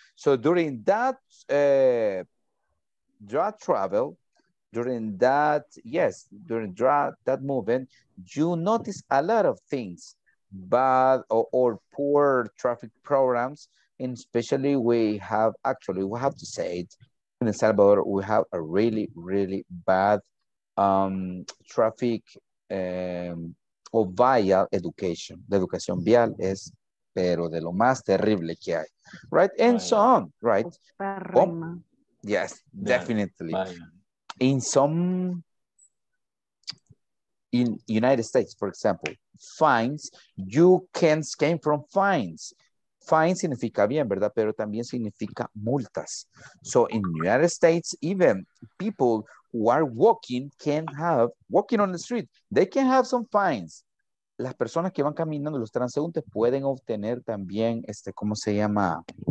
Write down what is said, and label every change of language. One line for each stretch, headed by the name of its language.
English: So during that during that movement, you notice a lot of things, bad or poor traffic programs, and especially we have to say it, in El Salvador, we have a really, really bad traffic o vía education.
Spanish: La educación vial es, pero de lo más terrible que hay.
English: Right? And vaya. So on, right? Oh, yes, definitely. Vaya. In United States, for example, fines, you can scan from fines.
Spanish: Fine significa bien, ¿verdad? Pero también significa multas.
English: So in United States, even people who are walking can have, walking on the street, they can have some fines.
Spanish: Las personas que van caminando, los transeúntes, pueden obtener también, ¿cómo se llama?